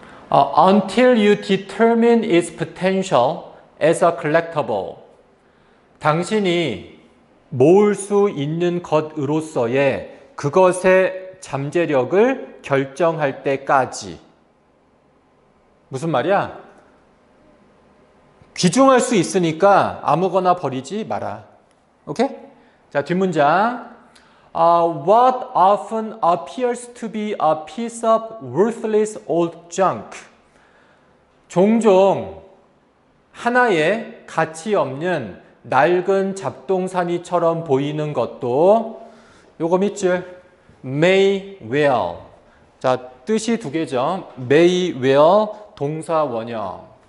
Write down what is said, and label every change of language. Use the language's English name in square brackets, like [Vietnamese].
[English] Until you determine its potential as a collectible. [Korean] 당신이 모을 수 있는 것으로서의 그것의 잠재력을 결정할 때까지. 무슨 말이야? 귀중할 수 있으니까 아무거나 버리지 마라. 오케이? 자, 뒷문장. [English] What often appears to be a piece of worthless old junk. [Korean] 종종 하나의 가치 없는 낡은 잡동사니처럼 보이는 것도 요거 밑줄 may well. 자, 뜻이 두 개죠. may well 동사 원형.